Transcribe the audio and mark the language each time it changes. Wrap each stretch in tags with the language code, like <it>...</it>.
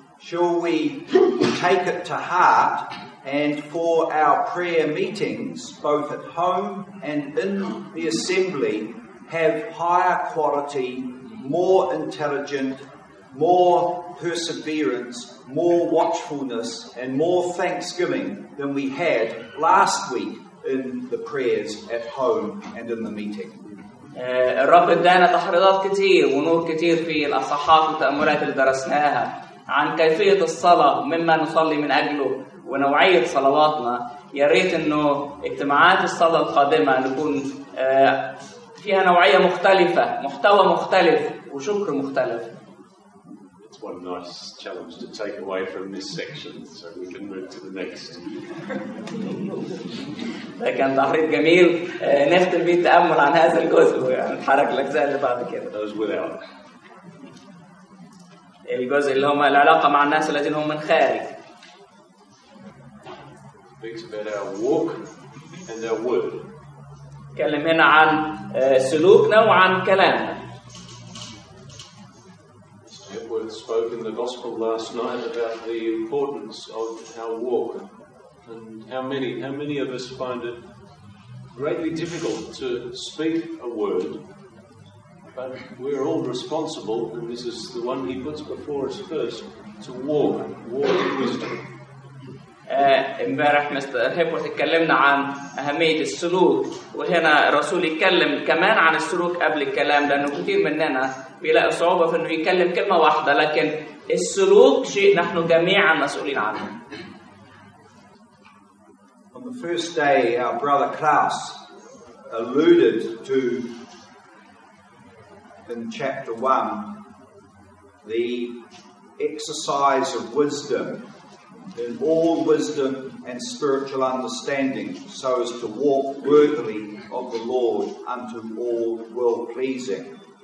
<en>Shall we take it to heart? And for our prayer meetings, both at home and in the assembly, have higher quality, more intelligent, more perseverance, more watchfulness, and more thanksgiving than we had last week in the prayers at home and in the meeting.</en> <ar>الرب ادانا تحريضات كتير ونور كتير في الأصحاحات والتأملات اللي درسناها عن كيفية الصلاة ومما نصلي من أجله ونوعية صلواتنا. يا ريت إنه اجتماعات الصلاة القادمة نكون فيها نوعية مختلفة, محتوى مختلف وشكر مختلف.</ar> <en>It's one nice challenge to take away from this section, so we can move to the next.</en> <ar>ده كان تعريف جميل نختم بيه التأمل عن هذا الجزء ونتحرك للأجزاء اللي بعد كده.</ar> <en>Those without.</en> <ar>الجزء اللي هم العلاقة مع الناس الذين هم من خارج.</ar> <en>Speaks about our walk and our word.</en> <ar>نتكلم هنا عن سلوكنا وعن كلامنا.</ar> <en>Spoke in the gospel last night about the importance of our walk, and how many of us find it greatly difficult to speak a word. But we are all responsible, and this is the one he puts before us first: to walk, walk in wisdom.</en> <ar>امبارح مستر هيبر تكلمنا عن أهمية السلوك، وهنا الرسول يتكلم كمان عن السلوك قبل الكلام، لأنه كثير مننا بيلاقي صعوبة في إنه يتكلم كلمة واحدة، لكن السلوك شيء نحن جميعا مسؤولين عنه.</ar> <en>On the first day, our brother Klaus alluded to in chapter 1 the exercise of wisdom. In all wisdom and spiritual understanding, so as to walk worthily of the Lord unto all well-pleasing.</en>